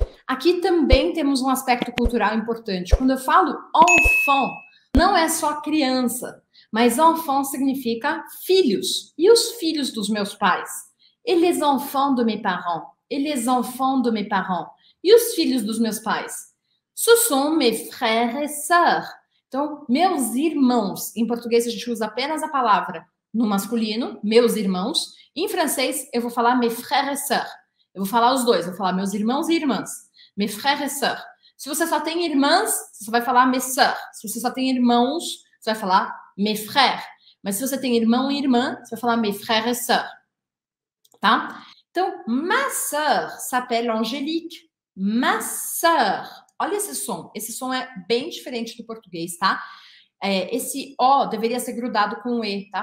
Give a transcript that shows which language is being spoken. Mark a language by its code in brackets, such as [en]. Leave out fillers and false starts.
[pt] Aqui também temos um aspecto cultural importante. Quando eu falo enfant, não é só criança, mas enfant significa filhos. E os filhos dos meus pais? [fr] Et les enfants de mes parents. Et les enfants de mes parents. [pt] E os filhos dos meus pais? [fr] Ce sont mes frères et sœurs. [pt] Então, meus irmãos. Em português, a gente usa apenas a palavra no masculino, meus irmãos. Em francês, eu vou falar [fr] mes frères et sœurs. [pt] Eu vou falar os dois. Eu vou falar meus irmãos e irmãs. [fr] Mes frères et sœurs. [pt] Se você só tem irmãs, você vai falar [fr] mes sœurs. [pt] Se você só tem irmãos, você vai falar [fr] mes frères. [pt] Mas se você tem irmão e irmã, você vai falar [fr] mes frères et sœurs. [pt] Tá? [fr] Então, ma sœur s'appelle Angélique. Ma sœur. [pt] Olha esse som. Esse som é bem diferente do português, tá? É, esse O deveria ser grudado com o E, tá?